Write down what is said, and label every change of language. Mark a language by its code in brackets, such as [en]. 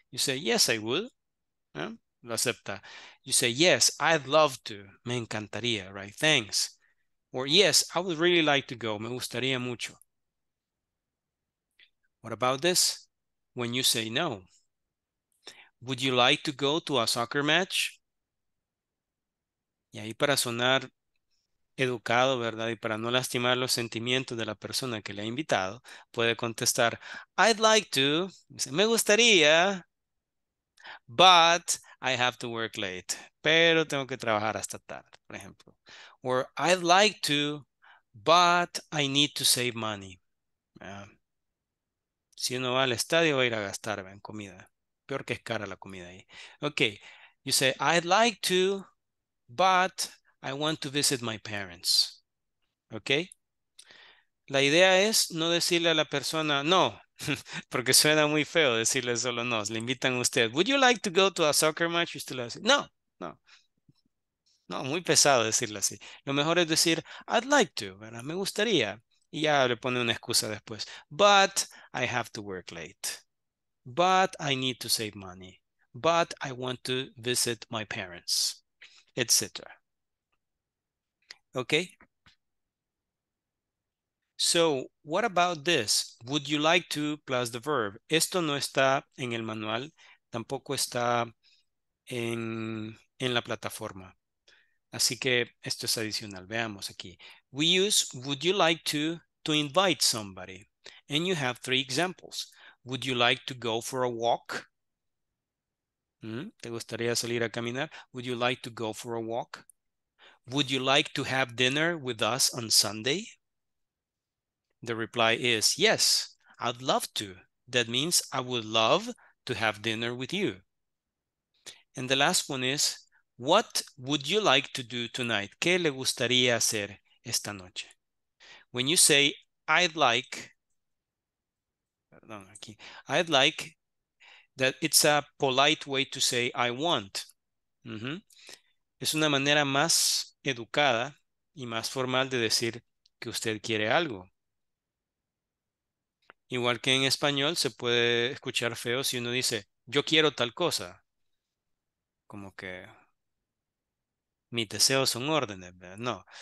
[en] You say, yes, I would. [es] Lo acepta. [en] You say, yes, I'd love to. [es] Me encantaría, [en] right? Thanks. Or yes, I would really like to go. [es] Me gustaría mucho. [en] What about this? When you say no. Would you like to go to a soccer match? [es] Y ahí para sonar educado, ¿verdad? Y para no lastimar los sentimientos de la persona que le ha invitado, puede contestar, [en] I'd like to. [es] Dice, me gustaría. [en] But I have to work late. [es] Pero tengo que trabajar hasta tarde, por ejemplo. [en] Or I'd like to, but I need to save money. [es] Si uno va al estadio, va a ir a gastar en comida. Peor que es cara la comida ahí. [en] Okay, you say, I'd like to, but I want to visit my parents. Okay? [es] La idea es no decirle a la persona, no, porque suena muy feo decirle solo no. Le invitan a usted, [en] would you like to go to a soccer match? [es] Usted le dice, no. No, muy pesado decirlo así. Lo mejor es decir, [en] I'd like to, [es] ¿verdad? Me gustaría. Y ya le pone una excusa después. [en] But I have to work late. But I need to save money. But I want to visit my parents, etc. Okay? So, what about this? Would you like to plus the verb? [es] Esto no está en el manual, tampoco está en la plataforma. Así que esto es adicional. Veamos aquí. [en] We use would you like to invite somebody. And you have three examples. Would you like to go for a walk? [es] ¿Te gustaría salir a caminar? [en] Would you like to go for a walk? Would you like to have dinner with us on Sunday? The reply is yes, I'd love to. That means I would love to have dinner with you. And the last one is, what would you like to do tonight? [es] ¿Qué le gustaría hacer esta noche? [en] When you say, I'd like, that it's a polite way to say, I want. Mm-hmm. [es] Es una manera más educada y más formal de decir que usted quiere algo. Igual que en español, se puede escuchar feo si uno dice, yo quiero tal cosa. Como que mis deseos son órdenes, ¿verdad? No.